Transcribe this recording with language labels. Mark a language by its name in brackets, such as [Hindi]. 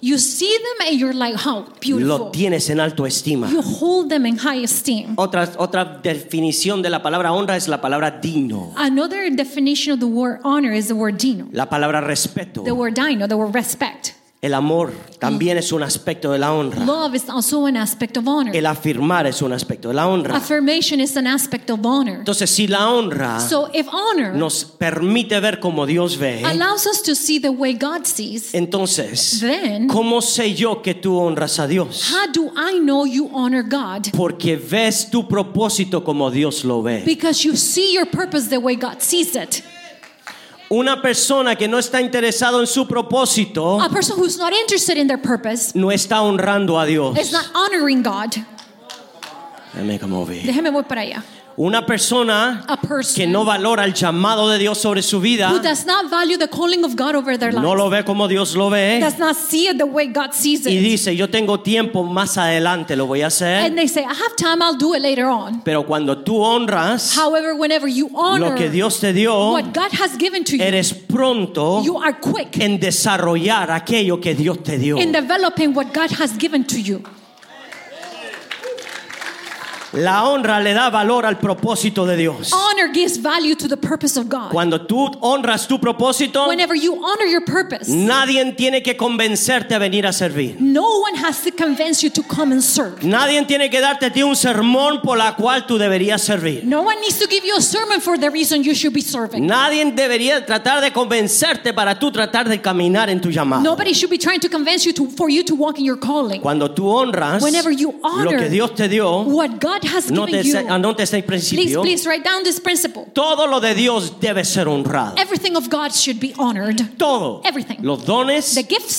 [English] You see them and you're like, how beautiful. [Spanish] Lo tienes en alto estima. [English] You hold them in high esteem. [Spanish] Otra definición de la palabra honra es la palabra digno. [English] Another definition of the word honor is the word digno. [Spanish] La palabra respeto. [English] The word digno, the word respect. [Spanish] El amor también es un aspecto de la honra. [English] Love is also an aspect of honor. [Spanish] El afirmar es un aspecto de la honra. [English] Affirmation is an aspect of honor. [Spanish] Entonces, si la honra, [English] so if honor, [Spanish] nos permite ver como Dios ve, [English] allows us to see the way God sees, [Spanish] entonces, [English] then, [Spanish] ¿cómo sé yo que tú honras a Dios? [English] How do I know you honor God? [Spanish] Porque ves tu propósito como Dios lo ve. [English] Because you see your purpose the way God sees it. [Spanish] Una persona que no está interesado en su propósito, [English] a person who's not interested in their purpose, [Spanish] no está honrando a Dios. [English] Is not honoring God. [Spanish] Déjeme voy para allá. Una persona, [English] a person, [Spanish] que no valora el llamado de Dios sobre su vida, [English] who does not value the calling of God over their life, [Spanish] no lo ve como Dios lo ve, [English] does not see it the way God sees it, [Spanish] y dice, yo tengo tiempo, más adelante lo voy a hacer, [English] and they say, I have time, I'll do it later on. [Spanish] Pero cuando tú honras, [English] however, whenever you honor [Spanish] lo que Dios te dio, [English] what God has given to you, [Spanish] eres pronto, [English] you are quick [Spanish] en desarrollar aquello que Dios te dio, [English] in developing what God has given to you. [Spanish] La honra le da valor al propósito de Dios. [English] Honor gives value to the purpose of God. [Spanish] Cuando tú honras tu propósito, [English] whenever you honor your purpose, [Spanish] nadie tiene que convencerte a venir a servir. [English] No one has to convince you to come and serve. [Spanish] Nadie tiene que darte a ti un sermón por la cual tú deberías servir. [English] No one needs to give you a sermon for the reason you should be serving. [Spanish] Nadie debería tratar de convencerte para tú tratar de caminar en tu llamado. [English] Nobody should be trying to convince you to, for you to walk in your calling. [Spanish] Cuando tú honras, [English] whenever you honor [Spanish] lo que Dios te dio, [English] what God has given you. Please write down this principle. [Spanish] Todo lo de Dios debe ser honrado. [English] Everything of God should be honored. [Spanish] Todo. [English] Everything. [Spanish] Los dones, [English] the gifts,